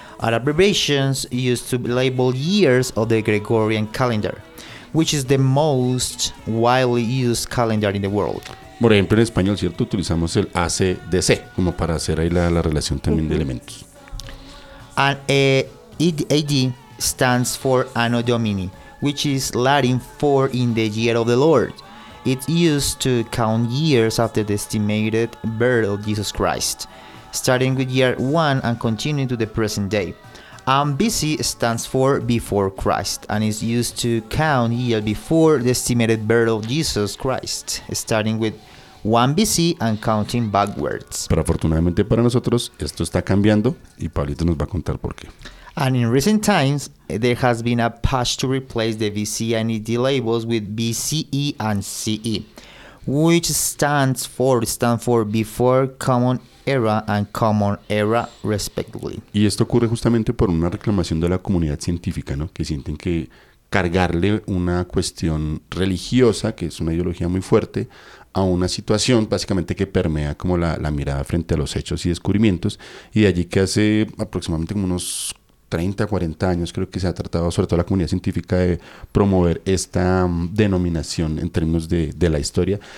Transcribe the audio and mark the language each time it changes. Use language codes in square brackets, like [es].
[en] Are abbreviations used to label years of the Gregorian calendar, which is the most widely used calendar in the world. [es] Por ejemplo, en español, ¿cierto? Utilizamos el ACDC como para hacer ahí la relación también de elementos. [en] And AD stands for Anno Domini, which is Latin for in the year of the Lord. It's used to count years after the estimated birth of Jesus Christ, starting with year one and continuing to the present day. BC stands for before Christ and is used to count year before the estimated birth of Jesus Christ, starting with 1 BC and counting backwards. [es] Pero afortunadamente para nosotros esto está cambiando y Pablito nos va a contar por qué. [en] And in recent times, there has been a push to replace the BC and AD labels with BCE and CE, which stands for Before Common Era and Common Era, respectively. [es] Y esto ocurre justamente por una reclamación de la comunidad científica, ¿no? Que sienten que cargarle una cuestión religiosa, que es una ideología muy fuerte, a una situación básicamente que permea como la mirada frente a los hechos y descubrimientos. Y de allí que hace aproximadamente como unos 30, 40 años creo que se ha tratado, sobre todo la comunidad científica, de promover esta denominación en términos de la historia.